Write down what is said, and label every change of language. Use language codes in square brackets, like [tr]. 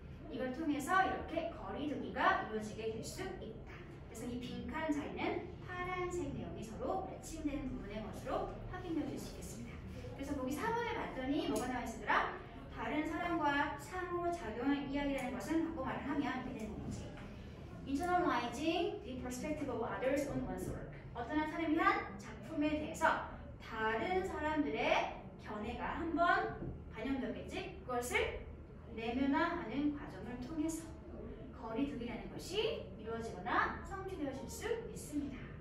[ko] 이걸 통해서 이렇게 거리두기가 이루어지게 될 수 있다. 그래서 이 빈칸 자리는 파란색 내용이 서로 매칭되는 부분의 것으로 확인되어질 수 있겠습니다. 그래서 거기 4번을 봤더니 뭐가 나와있으더라? 다른 사람과 상호작용한 이야기라는 것은 바꿔 말을 하면 되는 건지. [en] Internalizing the perspective of others on one's work. [ko] 어떤 한 사람이 한 작품에 대해서 다른 사람들의 견해가 한번 반영되겠지? 그것을 내면화하는 과정을 통해서 거리두기라는 것이 이루어지거나 성취되어질 수 있습니다.